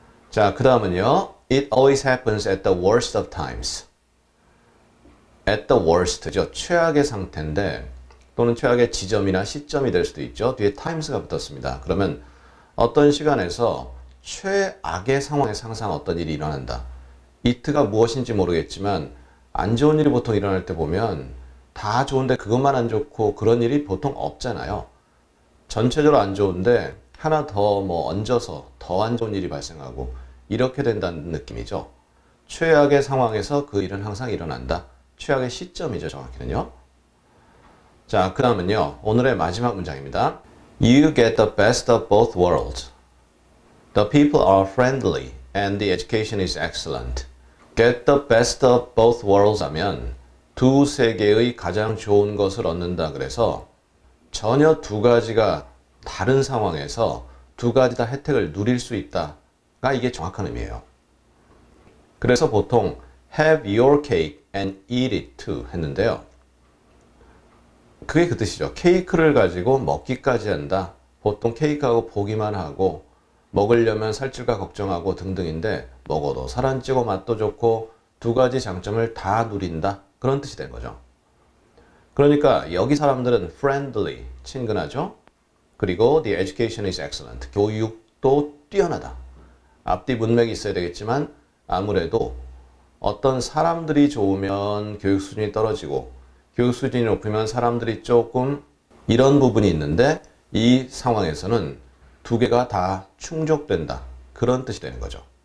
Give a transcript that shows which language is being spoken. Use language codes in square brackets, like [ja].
[ko] 자, 그 다음은요. [en] It always happens at the worst of times. at the worst죠. [ko] 최악의 상태인데, 또는 최악의 지점이나 시점이 될 수도 있죠. 뒤에 times가 붙었습니다. 그러면 어떤 시간에서 최악의 상황에서 항상 어떤 일이 일어난다. it가 무엇인지 모르겠지만 안 좋은 일이 보통 일어날 때 보면 다 좋은데 그것만 안 좋고 그런 일이 보통 없잖아요. 전체적으로 안 좋은데 하나 더 뭐 얹어서 더 안 좋은 일이 발생하고 이렇게 된다는 느낌이죠. 최악의 상황에서 그 일은 항상 일어난다. 최악의 시점이죠, 정확히는요. 자, 그 다음은요. 오늘의 마지막 문장입니다. [en] You get the best of both worlds. The people are friendly. And the education is excellent. Get the best of both worlds [ko] 하면 두 세계의 가장 좋은 것을 얻는다. 그래서 전혀 두 가지가 다른 상황에서 두 가지 다 혜택을 누릴 수 있다가 이게 정확한 의미예요. 그래서 보통 [en] have your cake and eat it too [ko] 했는데요. 그게 그 뜻이죠. 케이크를 가지고 먹기까지 한다. 보통 케이크하고 보기만 하고 먹으려면 살찔까 걱정하고 등등인데 먹어도 살 안 찌고 맛도 좋고 두 가지 장점을 다 누린다. 그런 뜻이 된 거죠. 그러니까 여기 사람들은 friendly, 친근하죠? 그리고 [en] the education is excellent. [ko] 교육도 뛰어나다. 앞뒤 문맥이 있어야 되겠지만 아무래도 어떤 사람들이 좋으면 교육 수준이 떨어지고 교육 수준이 높으면 사람들이 조금 이런 부분이 있는데 이 상황에서는 두 개가 다 충족된다. 그런 뜻이 되는 거죠.